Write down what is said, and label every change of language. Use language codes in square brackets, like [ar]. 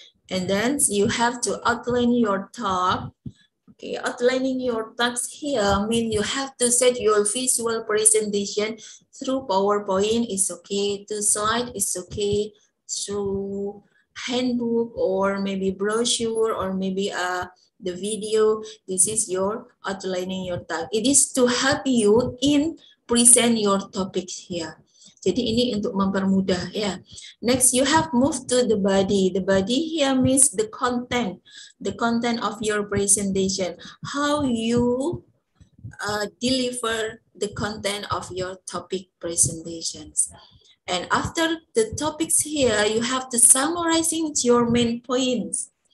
[en] And then you have to outline your talk. Okay, outlining your talks here means you have to set your visual presentation through PowerPoint is okay, two slides is okay, through handbook or maybe brochure or maybe the video. This is your outlining your talk. It is to help you in present your topics here. [id] Jadi ini untuk mempermudah ya. [en] Next, you have moved to the body. The body here means the content of your presentation. How you deliver the content of your topic presentations. And after the topics here, you have to summarizing your main points.